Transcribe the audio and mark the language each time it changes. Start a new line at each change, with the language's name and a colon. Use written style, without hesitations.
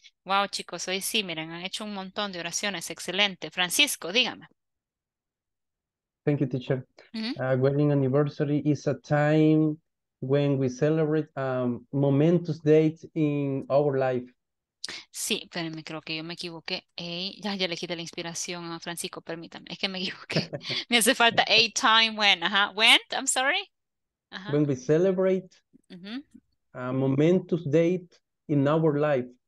Spanish: Wow, chicos, hoy sí, miren, han hecho un montón de oraciones. Excelente. Francisco, dígame.
English: Thank you, teacher. Mm-hmm. Wedding anniversary is a time when we celebrate a momentous date in our life.
Spanish: Sí, pero me creo que yo me equivoqué. Hey, ya le quité la inspiración a Francisco, permítame. Es que me equivoqué. Me hace falta
English: a time when.
Spanish: Ajá.
English: When, I'm sorry. Ajá. When we celebrate mm-hmm. a momentous date in our life.